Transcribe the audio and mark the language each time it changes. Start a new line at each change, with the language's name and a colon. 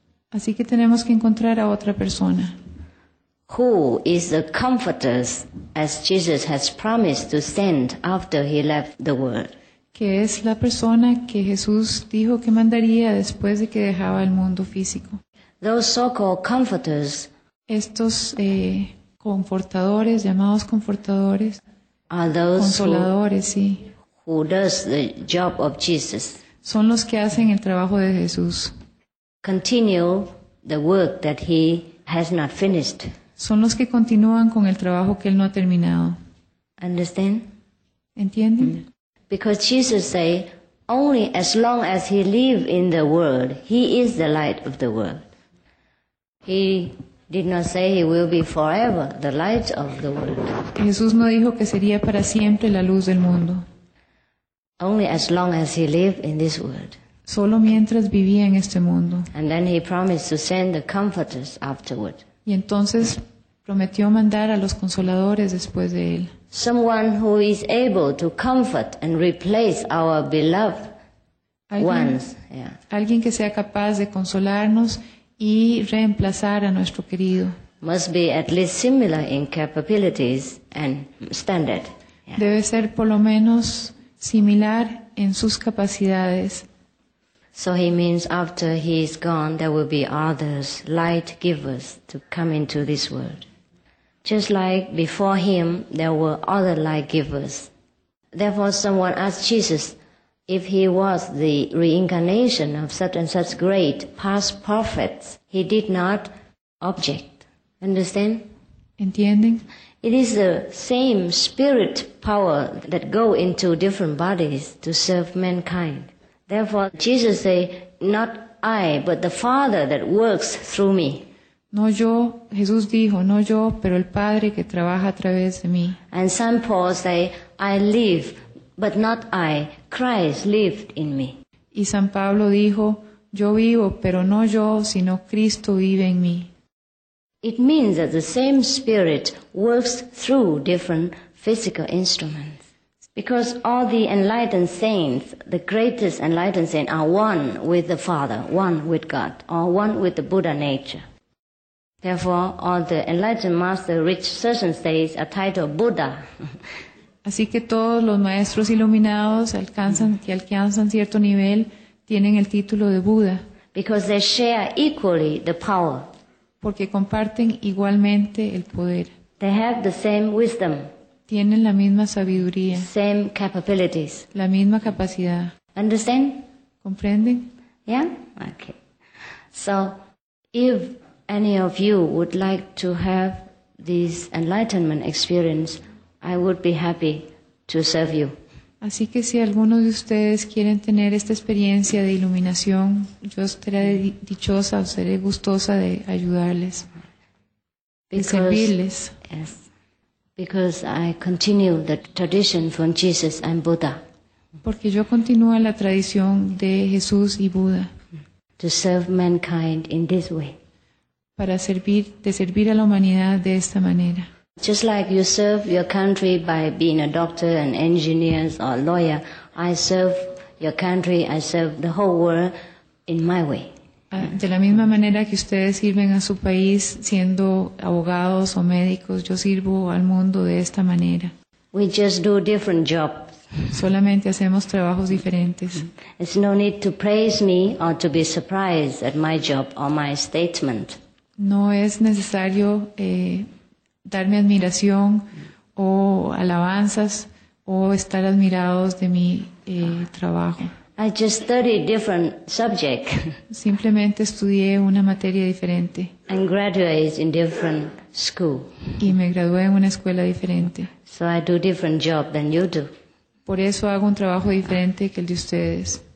Spanish: Así que tenemos que encontrar a otra persona.
English: Who is the comforter as Jesus has promised to send after he left the world?
Spanish: ¿Qué es la persona que Jesús dijo que mandaría después de que dejaba el mundo físico?
English: Those so-called comforters,
Spanish: estos confortadores, llamados confortadores,
English: are those
Spanish: consoladores,
English: who,
Spanish: sí.
English: Who does the job of Jesus.
Spanish: Son los que hacen el trabajo de Jesús.
English: Continue the work that he has not finished.
Spanish: Son los que continúan con el trabajo que él no ha terminado.
English: Understand?
Spanish: ¿Entienden?
English: Because Jesus say, only as long as he live in the world, he is the light of the world. He did not say he will be forever the light of the world.
Spanish: Jesús no dijo que sería para siempre la luz del mundo.
English: Only as long as he lived in this world.
Spanish: Solo mientras vivía en este mundo.
English: And then he promised to send the comforters afterward.
Spanish: Y entonces prometió mandar a los consoladores después de él.
English: Someone who is able to comfort and replace our beloved ones. Yeah.
Spanish: Alguien que sea capaz de consolarnos y reemplazar a nuestro querido.
English: Must be at least similar in capabilities and standard. Yeah.
Spanish: Debe ser por lo menos similar en sus capacidades.
English: So he means after he is gone, there will be others, light givers, to come into this world. Just like before him, there were other light givers. Therefore, someone asked Jesus if he was the reincarnation of such and such great past prophets. He did not object. Understand?
Spanish: Entienden?
English: It is the same spirit power that go into different bodies to serve mankind. Therefore, Jesus say, not I, but the Father that works through me.
Spanish: No yo, Jesús dijo, no yo, pero el Padre que trabaja a través de mí.
English: And St. Paul say, I live, but not I, Christ lived in me.
Spanish: Y San Pablo dijo, yo vivo, pero no yo, sino Cristo vive en mí.
English: It means that the same Spirit works through different physical instruments. Because all the enlightened saints, the greatest enlightened saints, are one with the Father, one with God, or one with the Buddha nature. Therefore, all the enlightened masters reach certain states are titled Buddha.
Spanish: Así que todos los maestros iluminados alcanzan cierto nivel, tienen el título de Buda.
English: Because they share equally the power.
Spanish: Porque comparten igualmente el poder.
English: They have the same wisdom.
Spanish: Tienen la misma sabiduría.
English: Same capabilities.
Spanish: La misma capacidad.
English: Understand?
Spanish: ¿Comprenden?
English: Yeah? Okay. So, if any of you would like to have this enlightenment experience, I would be happy to serve you.
Spanish: Así que si algunos de ustedes quieren tener esta experiencia de iluminación, yo estaré dichosa o seré gustosa de ayudarles,
English: because,
Spanish: de servirles.
English: Yes, because I continue the tradition from Jesus and Buddha.
Spanish: Porque yo continúo la tradición de Jesús y Buda.
English: To serve mankind in this way.
Spanish: Para servir, de servir a la humanidad de esta manera.
English: Just like you serve your country by being a doctor, an engineer, or a lawyer, I serve your country, I serve the whole world in my way.
Spanish: De la misma manera que ustedes sirven a su país siendo abogados o médicos, yo sirvo al mundo de esta manera.
English: We just do different jobs.
Spanish: Solamente hacemos trabajos diferentes.
English: There's no need to praise me or to be surprised at my job or my statement.
Spanish: No es necesario darme admiración o alabanzas o estar admirados de mi trabajo.
English: I just studied different subject.
Spanish: Simplemente estudié una materia diferente.
English: And graduated in different school.
Spanish: Y me gradué en una escuela diferente.
English: So I do different job than you do.
Spanish: Por eso hago un trabajo diferente que el de ustedes.